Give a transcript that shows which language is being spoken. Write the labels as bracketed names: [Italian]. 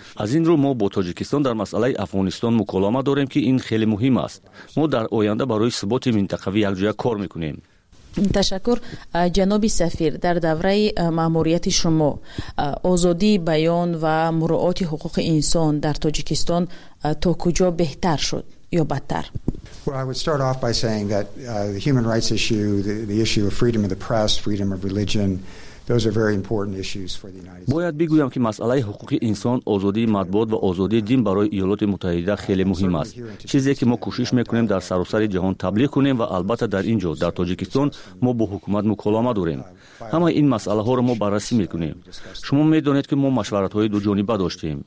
[Persian] از این رو ما با تاجیکستان در مسئله افغانستان مکالمه داریم که این خیلی مهم است. ما در آینده برای ثبات منطقه یکجا کار می‌کنیم. تشکر جناب سفیر. در دوره ماموریت شما آزادی بیان و مراعات حقوق انسان در تاجیکستان تا کجا بهتر شد یا بدتر؟ [English] Well, I would start off by saying that the human rights issue, the issue of freedom of the press, freedom of religion, those are very important issues for the United States. [Persian] باید بگویم که مسئله حقوق انسان، آزادی مطبوعات و آزادی دین برای ایالات متحده خیلی مهم است. چیزی که ما کوشش میکنیم در سراسر جهان تبلیغ کنیم و البته در اینجا در تاجیکستان ما با حکومت مکالمه داریم. همه این مسئله ها را ما بررسی میکنیم. شما میدونید که ما مشورت های دو جانبه داشتیم.